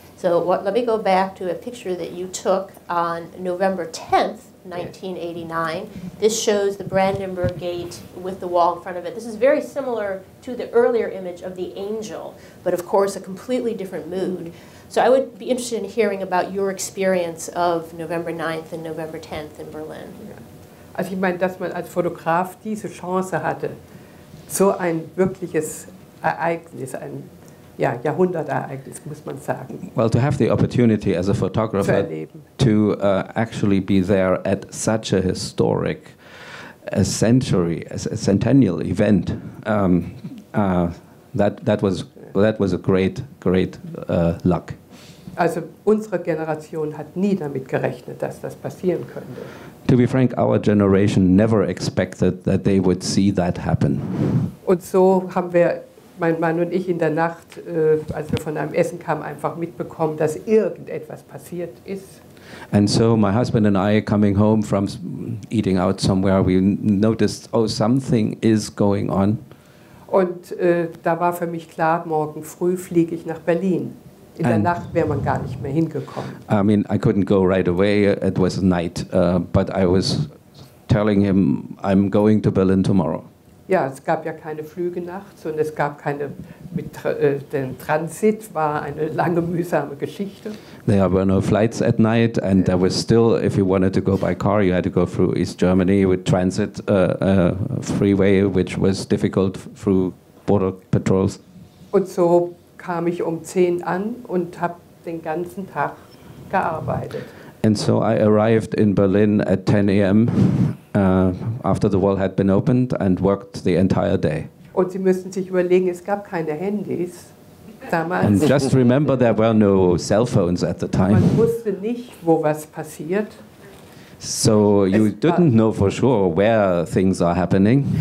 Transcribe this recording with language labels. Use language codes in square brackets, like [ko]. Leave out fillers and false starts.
[en] So let me go back to a picture that you took on November 10th, 1989. This shows the Brandenburg Gate with the wall in front of it. This is very similar to the earlier image of the angel, but of course, a completely different mood. So I would be interested in hearing about your experience of November 9th and November 10th in Berlin. [de] Also ich meine, dass man als Fotograf diese Chance hatte, so ein wirkliches Ereignis, ein Jahrhundertereignis, muss man sagen. [en] Well, to have the opportunity as a photographer to actually be there at such a historic, centennial event, that was a great luck. [de] Also unsere Generation hat nie damit gerechnet, dass das passieren könnte. [en] To be frank, our generation never expected that they would see that happen. [de] Und so haben wir, mein Mann und ich, in der Nacht, als wir von einem Essen kamen, einfach mitbekommen, dass irgendetwas passiert ist. [en] And so my husband and I, coming home from eating out somewhere, we noticed, oh, something is going on. [de] Und da war für mich klar, morgen früh fliege ich nach Berlin. In der Nacht wäre man gar nicht mehr hingekommen. [en] I mean, I couldn't go right away. It was night, but I was telling him, I'm going to Berlin tomorrow. [de] Ja, es gab ja keine Flüge nachts und es gab keine. Den Transit war eine lange mühsame Geschichte. [en] There were no flights at night, and there was still, if you wanted to go by car, you had to go through East Germany with transit freeway, which was difficult through border patrols. [de] Und so kam ich um 10 an und habe den ganzen Tag gearbeitet. [en] And so I arrived in Berlin at 10 a.m. After the wall had been opened and worked the entire day. [de] Und Sie müssen sich überlegen, es gab keine Handys damals. [en] And just remember, there were no cell phones at the time. [de] Man wusste nicht, wo was passiert. [en] So you didn't know for sure where things are happening.